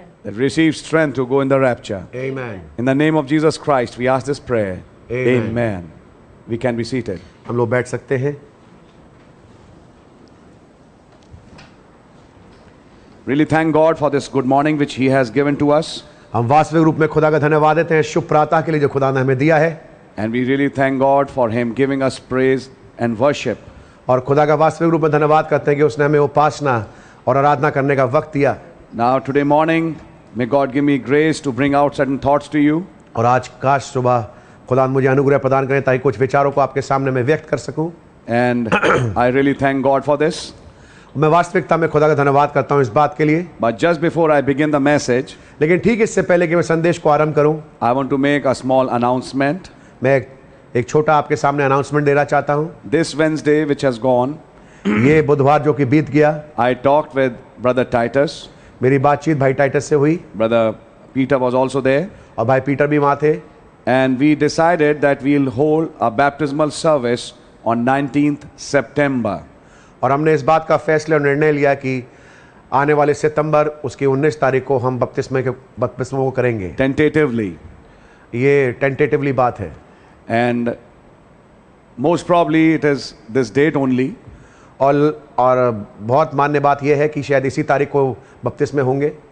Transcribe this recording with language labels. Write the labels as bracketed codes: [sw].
[en] That receive strength to go in the rapture. Amen. In the name of Jesus Christ, we ask this prayer. Amen. Amen. We can be seated. [hi] हम लोग बैठ सकते हैं. [en] Really thank God for this good morning which He has given to us. [hi] हम वास्तविक रूप में खुदा का धन्यवाद देते हैं शुभ प्रातः के लिए जो खुदा ने हमें दिया है. [en] And we really thank God for Him giving us praise and worship. [hi] और खुदा का वास्तविक रूप में धन्यवाद करते हैं कि उसने हमें उपासना और आराधना करने का वक्त दिया. [en] Now today morning, may God give me grace to bring out certain thoughts to you. [hi] और आज काश सुबह खुदा मुझे अनुग्रह प्रदान करें ताकि कुछ विचारों को आपके सामने मैं व्यक्त कर सकूं. [en] And I really thank God for this. [hi] मैं वास्तविकता में खुदा का धन्यवाद करता हूं इस बात के लिए. [en] But just before I begin the message, [hi] लेकिन ठीक इससे पहले कि मैं संदेश को आरंभ करूं, [en] I want to make a small announcement. [hi] मैं एक छोटा आपके सामने अनाउंसमेंट देना चाहता हूं. [en] This Wednesday which has gone, [hi] ये बुधवार जो कि बीत गया, [en] I talked with brother Titus. [hi] मेरी बातचीत भाई टाइटस से हुई. [en] Brother Peter was also there. [hi] और भाई पीटर भी वहां थे. [en] And we decided that we'll hold a baptismal service on 19th September. [hi] और हमने इस बात का फैसला और निर्णय लिया कि आने वाले सितंबर उसकी 19 तारीख को हम बपतिस्मों को करेंगे. [en] tentatively, [hi] ये टेंटेटिवली बात है. [en] And most probably it is this date only. [hi] और बहुत मान्य बात यह है कि शायद इसी तारीख को बपतिस्में होंगे.